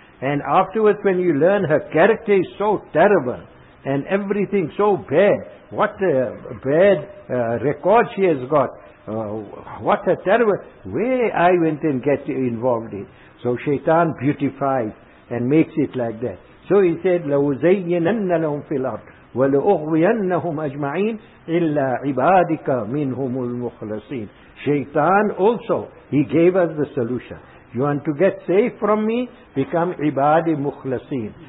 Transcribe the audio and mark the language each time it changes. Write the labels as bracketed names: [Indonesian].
[English] And afterwards when you learn her character is so terrible, and everything so bad, what a bad record she has got. What a terrible way I went and get involved in. So Shaitan beautifies and makes it like that. So he said, [Arabic] لَوْزَيِّنَنَّ لَهُمْ فِي الْأَرْضِ وَلَأُغْوِيَنَّهُمْ أَجْمَعِينَ إِلَّا عِبَادِكَ مِنْهُمُ الْمُخْلَصِينَ. [English] Shaitan also, he gave us the solution. You want to get safe from me? Become [Arabic] عِبَادِ مُخْلَصِينَ.